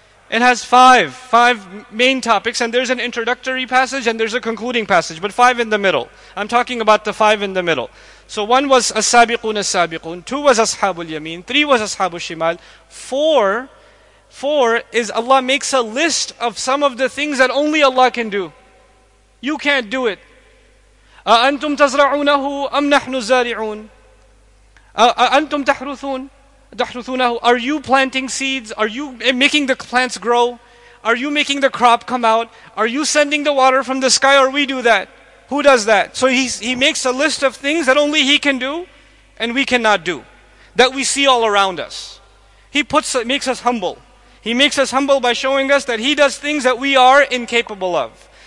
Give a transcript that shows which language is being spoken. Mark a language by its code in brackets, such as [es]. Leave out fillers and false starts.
[en] It has five main topics, and there's an introductory passage and there's a concluding passage, but five in the middle. I'm talking about the five in the middle. So one was As-Sabiqun As-Sabiqun, two was Ashabul Yameen, three was Ashabul Shimal, four is Allah makes a list of some of the things that only Allah can do. You can't do it. [ar] أَأَنْتُمْ تَزْرَعُونَهُ أَمْ نَحْنُ الزَّارِعُونَ أَأَنْتُمْ تَحْرُثُونَهُ [en] Are you planting seeds? Are you making the plants grow? Are you making the crop come out? Are you sending the water from the sky, or we do that? Who does that? So he makes a list of things that only he can do and we cannot do, that we see all around us. He makes us humble by showing us that he does things that we are incapable of.